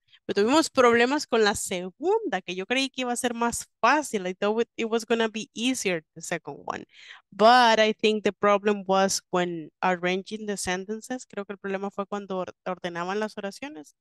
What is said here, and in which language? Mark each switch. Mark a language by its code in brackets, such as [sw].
[es] Pero tuvimos problemas con la segunda, que yo creí que iba a ser más fácil. [en] I thought it was going to be easier, the second one. But I think the problem was when arranging the sentences. [es] Creo que el problema fue cuando ordenaban las oraciones.